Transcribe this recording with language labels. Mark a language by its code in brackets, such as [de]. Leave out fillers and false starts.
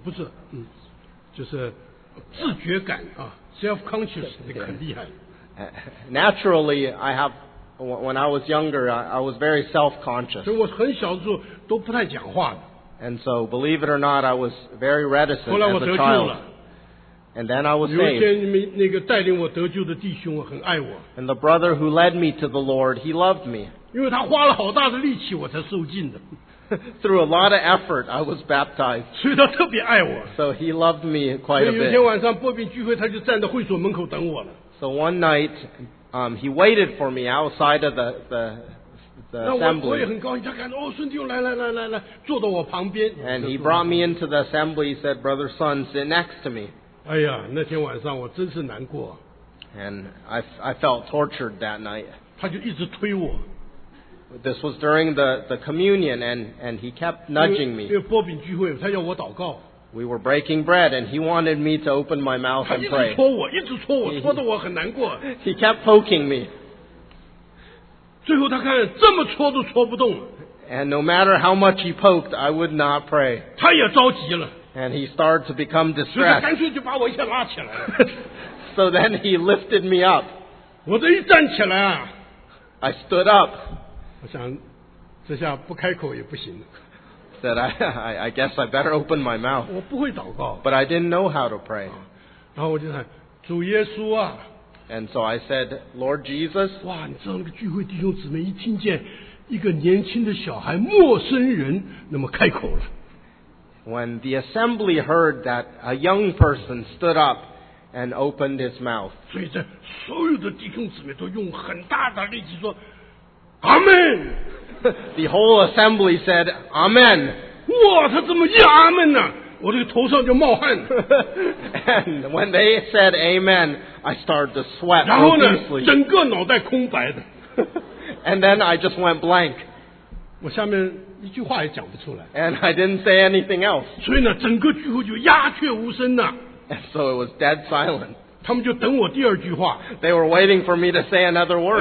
[zh] 不是, 就是自觉感啊 ，self-conscious 的很厉害。 [en] Naturally, I have when I was younger, I was very self-conscious. [zh] 所以我很小的时候都不太讲话的。 [en] And so, believe it or not, I was very reticent as a child. [zh] 后来我得救了。 [en] And then I was saved. [zh] 有一天，那个带领我得救的弟兄很爱我。 [en] And the brother who led me to the Lord, he loved me. [zh] 因为他花了好大的力气，我才受浸的。 [en] Through a lot of effort, I was baptized. [zh] 所以他特别爱我。 [en] So he loved me quite a bit. [zh] 所以有一天晚上，波比聚会，他就站在会所门口等我了。 [en] So one night, he waited for me outside of the assembly. [zh] 那我也很高兴，他看到哦，孙弟兄来，坐到我旁边。 [en] And he brought me into the assembly. He said, "Brother Sun, sit next to me." [zh] 哎呀，那天晚上我真是难过。 [en] And I felt tortured that night. [zh] 他就一直推我。 [en] This was during the communion and he kept nudging me. [zh] 因为波饼聚会，他要我祷告。 [en] We were breaking bread and he wanted me to open my mouth and pray. [zh] 他一直戳我，一直戳我，戳得我很难过。 [en] He kept poking me. [zh] 最后他看这么戳都戳不动。 [en] And no matter how much he poked, I would not pray. [zh] 他也着急了。 [en] And he started to become distressed. [zh] 所以他干脆就把我一下拉起来了。 [en] So then he lifted me up. [zh] 我这一站起来啊。 [en] I stood up. [zh] 我想这下不开口也不行。 [en] That I guess I better open my mouth. [zh] 我不会祷告。 [en] But I didn't know how to pray. [zh] 然后我就想主耶稣啊。 [en] And so I said, Lord Jesus. [zh] 哇你知道那个聚会弟兄姊妹一听见一个年轻的小孩陌生人那么开口了。 [en] When the assembly heard that a young person stood up and opened his mouth. [zh] 所以这所有的弟兄姊妹都用很大的力气说Amen. [en] The whole assembly said, Amen. [zh] 哇他怎么一阿们呢我这个头上就冒汗。 [en] And when they said Amen, I started to sweat. [zh] 然后呢整个脑袋空白的。 [en] And then I just went blank. [zh] 我下面一句话也讲不出来。 [en] And I didn't say anything else. [zh] 所以呢整个聚会就鸦雀无声了。 [en] And so it was dead silent. [zh] 他们就等我第二句话。 [en] They were waiting for me to say another word.